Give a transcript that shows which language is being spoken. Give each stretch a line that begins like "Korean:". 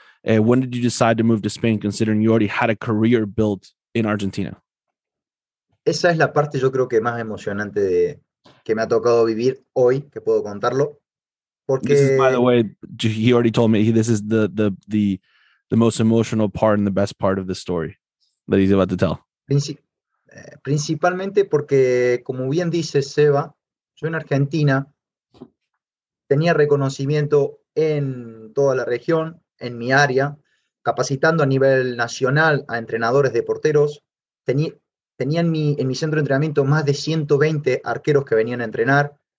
English: When did you decide to move to Spain, considering you already had a career built in Argentina?
Spanish: Esa es la parte, yo creo, que más emocionante que me ha tocado vivir hoy, que puedo contarlo. Porque...
English: This is, by the way, he already told me, this is the most emotional part and the best part of the story that he's about to tell.
Spanish: Principalmente porque, como bien dice Seba, yo en Argentina tenía reconocimiento en toda la región, en mi área, capacitando a nivel nacional a entrenadores de porteros. Tenía en mi centro de entrenamiento más de 120 arqueros que venían a entrenar.